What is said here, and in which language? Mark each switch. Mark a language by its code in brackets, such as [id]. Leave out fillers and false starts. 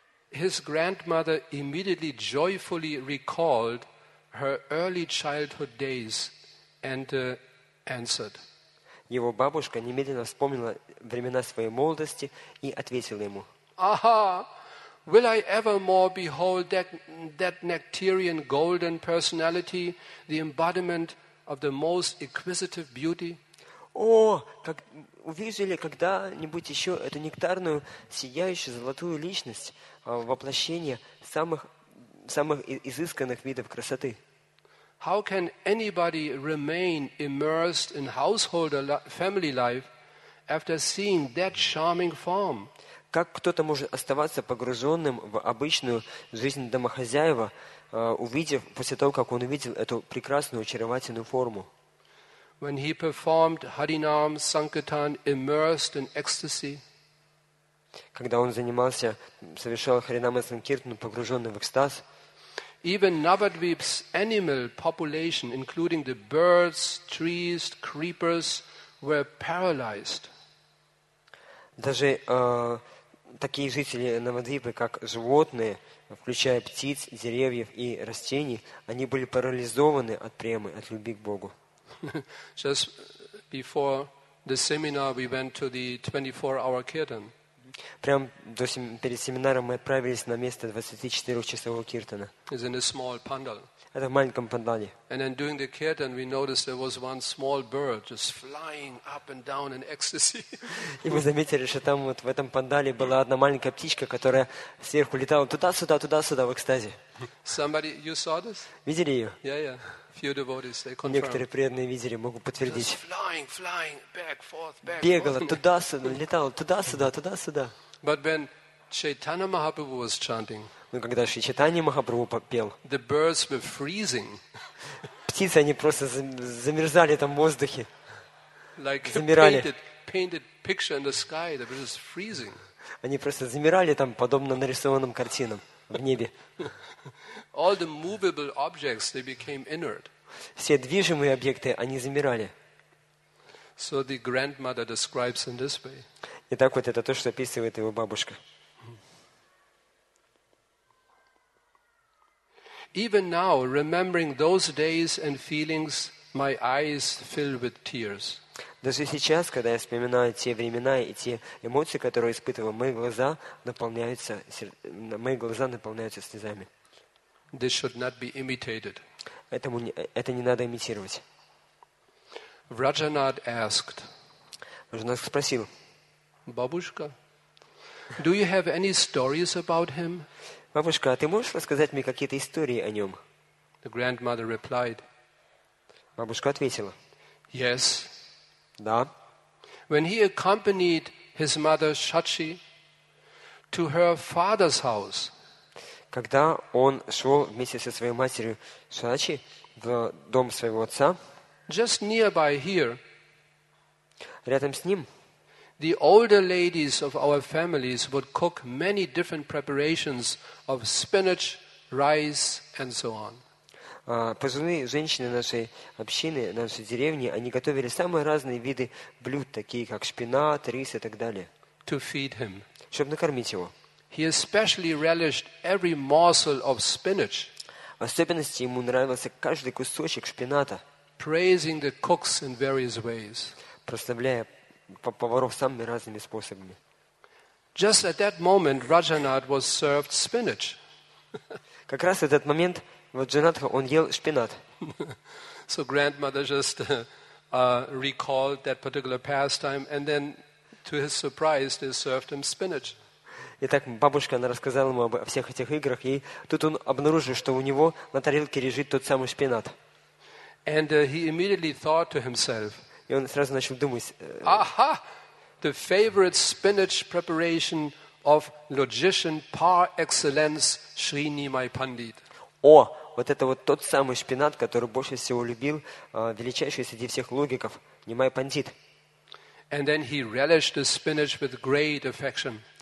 [en] His grandmother immediately joyfully recalled her early childhood days and answered. [ru] Его бабушка немедленно вспомнила времена своей молодости и ответила ему. [en] Aha! Will I ever more behold that nectarian golden personality, the embodiment of the most exquisite beauty? [ru] О, как увижу ли когда-нибудь еще эту нектарную, сияющую, золотую личность, воплощение самых изысканных видов красоты? [en] How can anybody remain immersed in household or family life after seeing that charming form? [ru] Как кто-то может оставаться погруженным в обычную жизнь домохозяева, увидев, после того, как он увидел эту прекрасную, очаровательную форму? [en] When he performed Harinam Sankirtan immersed in ecstasy. [ru] Когда он занимался, совершал Харинама Санкиртану, погруженный в экстаз. [en] Even Navadvip's animal population, including the birds, trees, creepers, were paralyzed. [ru] Даже такие жители Навадвипы, как животные, включая птиц, деревьев и растений, они были парализованы от премы, от любви к Богу. [en] Just before the seminar, we went to the 24-hour kirtan. [ru] Прямо перед семинаром мы отправились на место 24-часового киртана. [en] It's in a small pandal. [ru] Это в маленьком пандале. [en] And then during the kirtan, we noticed there was one small bird just flying up and down in ecstasy. [ru] И мы заметили, что там вот в этом пандале была одна маленькая птичка, которая сверху летала туда-сюда, туда-сюда в экстазе. [en] Somebody, you saw this? [ru] Видели ее? [en] Yeah. Few devotees, they confirm. [ru] Некоторые преданные видели, могут подтвердить. [en] Just flying, back, forth, back. [ru] Бегала туда-сюда, летала туда-сюда, туда-сюда. [en] But when Chaitanya Mahaprabhu was chanting, [ru] но когда Шри Чайтанья Махапрабху попел, [en] the birds were freezing. [ru] Птицы, они просто замерзали там в воздухе. [en] Like [ru] замирали. [en] Painted picture in the sky, they were just freezing. [ru] Они просто замирали там, подобно нарисованным картинам в небе. [en] All the movable objects, they became inert. [ru] Все движимые объекты, они замирали. [en] So the grandmother describes in this way. [ru] И так вот это то, что описывает его бабушка. [en] Even now, remembering those days and feelings, my eyes fill with tears. [ru] Даже сейчас, когда я вспоминаю те времена и те эмоции, которые испытывал, мои глаза наполняются слезами. [en] This should not be imitated. [ru] Это не надо имитировать. [en] Rajanath asked. [ru] Rajanath спросил. Бабушка, [en] do you have any stories about him? [ru] Бабушка, а ты можешь рассказать мне какие-то истории о нем? [en] The grandmother replied, [ru] Бабушка ответила. [en] Yes. [ru] Да. [en] When he accompanied his mother Shachi to her father's house. [ru] Когда он шел вместе со своей матерью Шачи в дом своего отца. [en] Just nearby here. [ru] Рядом с ним. [en] The older ladies of our families would cook many different preparations of spinach, rice, and so on. [ru] Пожилые женщины нашей общины, нашей деревни, они готовили самые разные виды блюд, такие как шпинат, рис и так далее. [en] To feed him. [ru] Чтобы накормить его. [en] He especially relished every morsel of spinach. [ru] В особенности ему нравился каждый кусочек шпината. [en] Praising the cooks in various ways. [ru] Прославляя поваров самыми разными способами. [en] Just at that moment, Rajanath was served spinach. [ru] Как раз в этот момент Раджанатха он ел шпинат. [en] So grandmother just recalled that particular pastime, and then, to his surprise, they served him spinach. [ru] Итак, бабушка, она рассказала ему о всех этих играх, и тут он обнаружил, что у него на тарелке лежит тот самый шпинат. [en] And he immediately thought to himself. [ru] И он сразу начал думать. [en] Aha! The favorite spinach preparation of logician par excellence Sri Nimai Pandit. [ru] О, вот это вот тот самый шпинат, который больше всего любил величайший среди всех логиков Нимай Пандит. [en] And then he relished the spinach with great affection.